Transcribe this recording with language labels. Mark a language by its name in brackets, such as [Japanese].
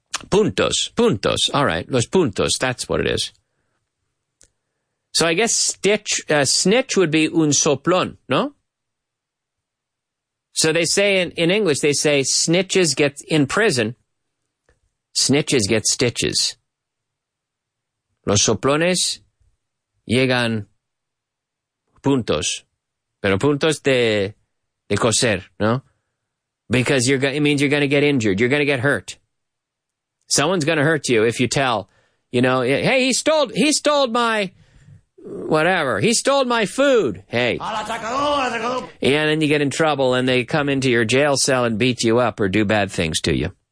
[Spanish] Puntos. [English] All right, [Spanish] los puntos, [English] that's what it is. So I guess snitch would be [Spanish] un soplón, no? [English] So they say in English, they say snitches get, in prison, snitches get stitches. [Spanish] Los soplones llegan puntos, pero puntos de coser, no? [English] Because it means you're going to get injured, you're going to get hurt. Someone's going to hurt you if you tell, you know, hey, he stole my whatever. He stole my food. Hey. Yeah, and then you get in trouble and they come into your jail cell and beat you up or do bad things to you.